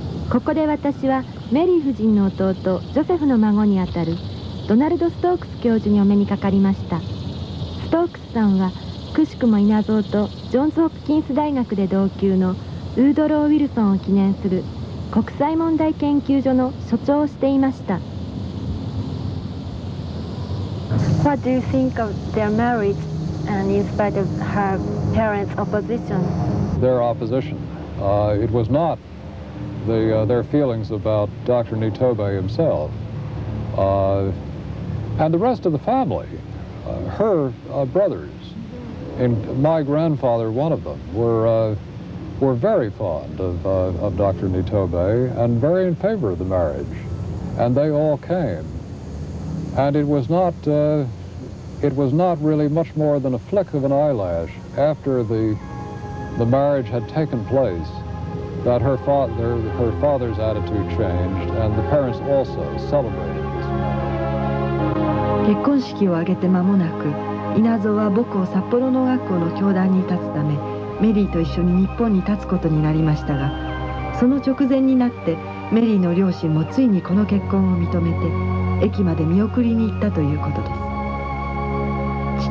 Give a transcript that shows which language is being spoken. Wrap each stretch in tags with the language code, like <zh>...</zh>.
<ja>ここで私はメリー夫人の弟ジョセフの孫にあたるドナルド・ストークス教授にお目にかかりました。ストークスさんはくしくも稲造とジョンズ・ホプキンス大学で同級のウードロー・ウィルソンを記念する国際問題研究所の所長をしていました。</ja> <en>What do you think of their marriage and in spite of her parents' opposition? Their opposition. It was notTheir feelings about Dr. Nitobe himself, and the rest of the family, her brothers, and my grandfather, one of them, were very fond of Dr. Nitobe and very in favor of the marriage, and they all came, and it was not really much more than a flick of an eyelash after the marriage had taken place. That her father's attitude changed, and the parents also celebrated this.</en> <ja>結婚式を挙げて間もなく、稲造は母校札幌農学校の教壇に立つため、メリーと一緒に日本に立つことになりましたが、その直前になってメリーの両親もついにこの結婚を認めて、駅まで見送りに行ったということです。</ja>